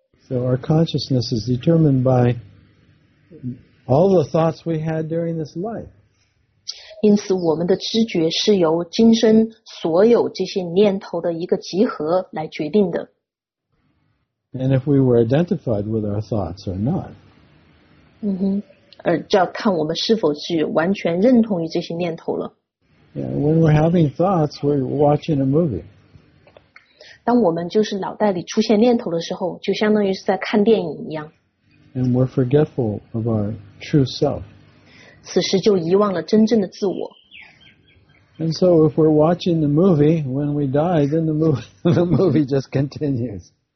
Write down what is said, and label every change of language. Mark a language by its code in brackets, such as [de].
[en] So our consciousness is determined by all the thoughts we had during this life. [zh] 因此我们的知觉是由今生所有这些念头的一个集合来决定的。 [en] And if we were identified with our thoughts or not. [zh] 就要看我们是否是完全认同于这些念头了。 [en] Yeah, when we're having thoughts, we're watching a movie. [zh] 当我们就是脑袋里出现念头的时候，就相当于是在看电影一样。 [en] And we're forgetful of our true self. [zh] 此时就遗忘了真正的自我。 [en] And so if we're watching the movie, when we die, then the movie just continues.